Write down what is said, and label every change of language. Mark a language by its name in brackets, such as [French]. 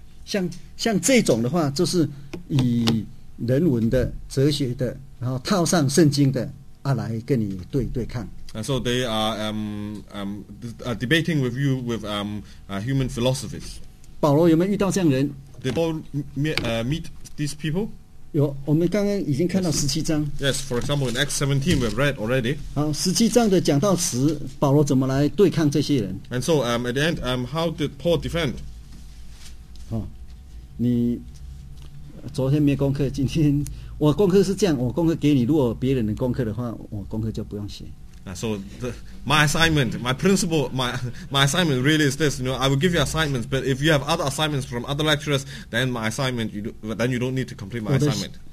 [Chinese] 像这种的话, 就是以人文的, 哲学的, 然后套上圣经的, 啊来跟你对对看。 [English] And so they are debating with you with human philosophies. [Chinese] 保罗有没有遇到这样人? [English] Did Paul meet these people? [Chinese] 有，我们刚刚已经看到十七章。 [English] Yes, for example, in Acts 17, we've read already. [Chinese] 好，十七章的讲到词， 保罗怎么来对抗这些人？ [English] And so at the end, how did Paul defend? [Chinese] 好，你昨天没功课，今天我功课是这样，我功课给你。如果别人的功课的话，我功课就不用写。 [English] So my assignment really is this, you know, I will give you assignments, but if you have other assignments from other lecturers, then my assignment, you don't need to complete my assignment.